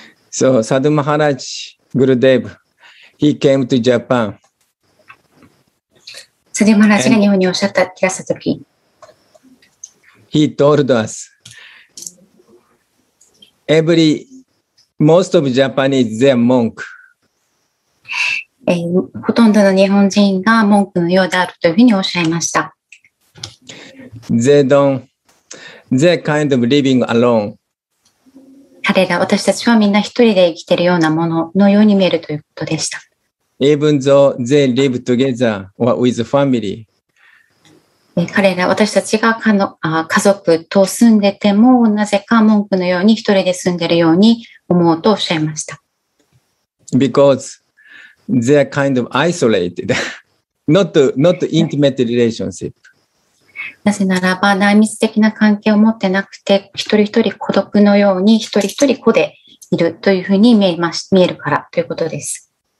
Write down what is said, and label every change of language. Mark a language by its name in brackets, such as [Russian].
[English] So, Sadhu Maharaj Gurudev, he came to Japan. [Japanese] Sadhu Maharaj が日本におっしゃった、いらしたとき。 [English] He told us, Most of Japanese, they are monk. [Japanese] ほとんどの日本人が文句のようであるというふうにおっしゃいました。 [English] They're kind of living alone. [Japanese] 彼ら、私たちはみんな一人で生きているようなもののように見えるということでした。 [English] Even though they live together or with family. [Japanese] 彼ら、私たちが家族と住んでても、なぜか文句のように一人で住んでいるように思うとおっしゃいました。 [English] Because they are kind of isolated, not intimate relationship. [Japanese] なぜならば内密的な関係を持ってなくて、一人一人孤独のように一人一人個でいるというふうに見えるからということです。